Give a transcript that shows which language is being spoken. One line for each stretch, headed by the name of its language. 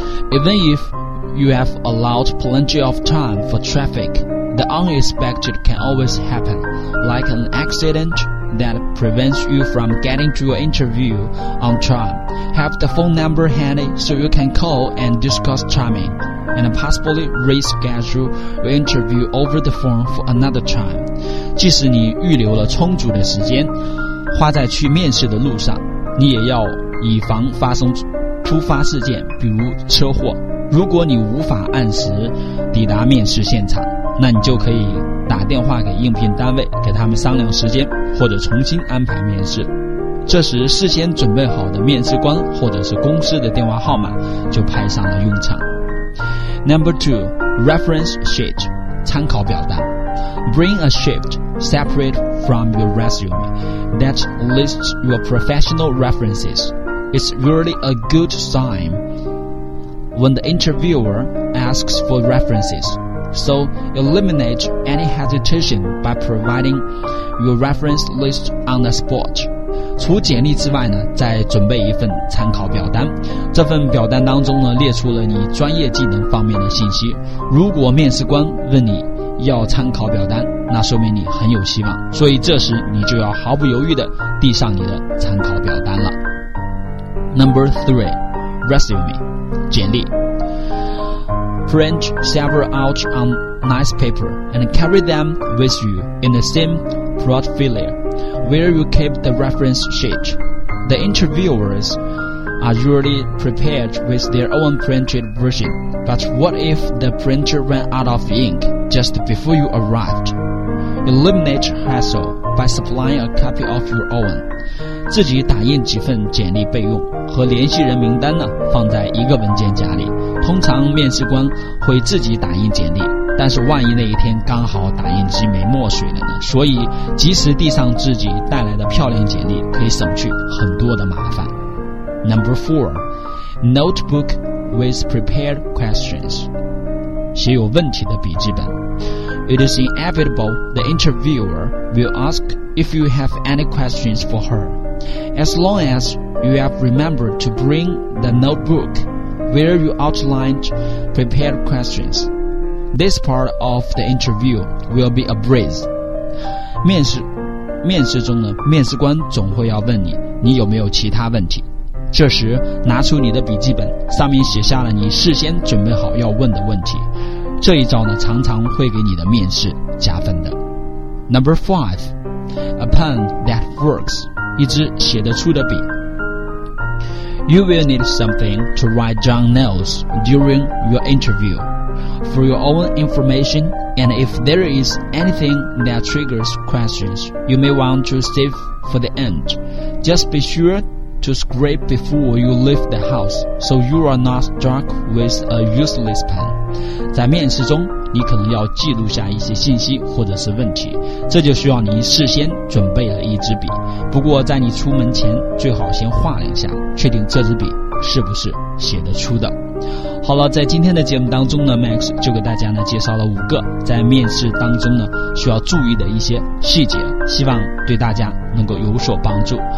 English: Even if you have allowed plenty of time for traffic, the unexpected can always happen, like an accident that prevents you from getting to your interview on time. Have the phone number handy so you can call and discuss timing, and possibly reschedule your interview over the phone for another time.
Chinese: 即使你预留了充足的时间，花在去面试的路上，你也要以防发生突发事件，比如车祸。如果你无法按时抵达面试现场，那你就可以打电话给应聘单位，给他们商量时间，或者重新安排面试。这时事先准备好的面试官或者是公司的电话号码就派上了用场。
English: Number 2 Reference Sheet 参考表单。 Bring a sheet separate from your resume that lists your professional referencesIt's really a good sign when the interviewer asks for references. So eliminate any hesitation by providing your reference list on the spot.
Chinese: 除简历之外呢，再准备一份参考表单。这份表单当中呢，列出了你专业技能方面的信息。如果面试官问你要参考表单，那说明你很有希望。所以这时你就要毫不犹豫地递上你的参考表单了。
English: Number 3 Resume 简历。 Print several out on nice paper and carry them with you in the same portfolio where you keep the reference sheet. The interviewers are usually prepared with their own printed version, but what if the printer ran out of ink just before you arrived? Eliminate hassle by supplying a copy of your own.
Chinese: 自己打印几份简历备用，和联系人名单呢放在一个文件夹里。通常面试官会自己打印简历，但是万一那一天刚好打印机没墨水了呢，所以及时递上自己带来的漂亮简历可以省去很多的麻烦。
English: Number 4 Notebook with prepared questions 写有问题的笔记本。 It is inevitable the interviewer will ask if you have any questions for her. As long asYou have remembered to bring the notebook where you outlined prepared questions. This part of the interview will be a breeze.
Chinese: 面试中呢，面试官总会要问你有没有其他问题。这时拿出你的笔记本，上面写下了你事先准备好要问的问题。这一招呢，常常会给你的面试加分的。
English: Number 5 A pen that works. 一支写得出的笔。 You will need something to write down notes during your interview. For your own information, and if there is anything that triggers questions, you may want to save for the end. Just be sure to scrape before you leave the house, so you are not struck with a useless pen.
Chinese: 在面试中，你可能要记录下一些信息或者是问题，这就需要你事先准备了一支笔。不过在你出门前最好先画了一下，确定这支笔是不是写得出的。好了，在今天的节目当中呢， Max 就给大家呢介绍了五个在面试当中呢需要注意的一些细节，希望对大家能够有所帮助。